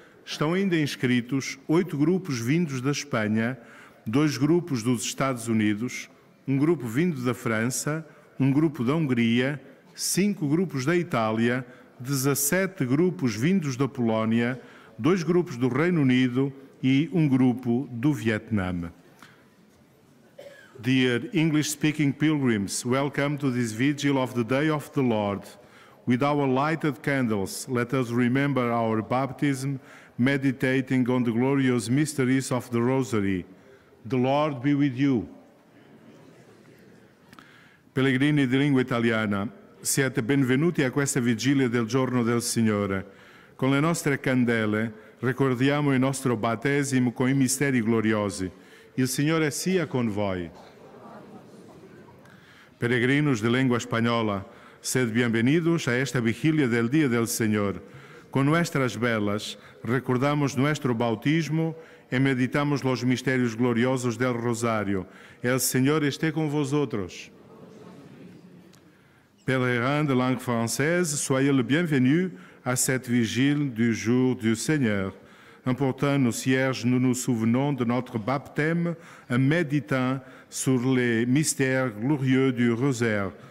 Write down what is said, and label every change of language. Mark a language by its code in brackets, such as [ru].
[pt] Estão ainda inscritos oito grupos vindos da Espanha, dois grupos dos Estados Unidos, um grupo vindo da França, um grupo da Hungria, cinco grupos da Itália, 17 grupos vindos da Polónia, dois grupos do Reino Unido e um grupo do Vietnã. [en] Dear English-speaking pilgrims, welcome to this vigil of the Day of the Lord. With our lighted candles, let us remember our baptism, meditating on the glorious mysteries of the Rosary. The Lord be with you. [it] Pellegrini di lingua italiana, siete benvenuti a questa vigilia del giorno del Signore. Con le nostre candele ricordiamo il nostro battesimo con i misteri gloriosi. Il Signore sia con voi. [es] Peregrinos de lengua española, sed bienvenidos a esta vigilia del Día del Señor. Con nuestras velas recordamos nuestro bautismo e meditamos los misterios gloriosos del Rosario. El Señor esté con vosotros. [fr] Pèlerins de langue française, soyez le bienvenu à cette vigile du jour du Seigneur. En portant nos cierges, nous nous souvenons de notre baptême en méditant sur les mystères glorieux du rosaire.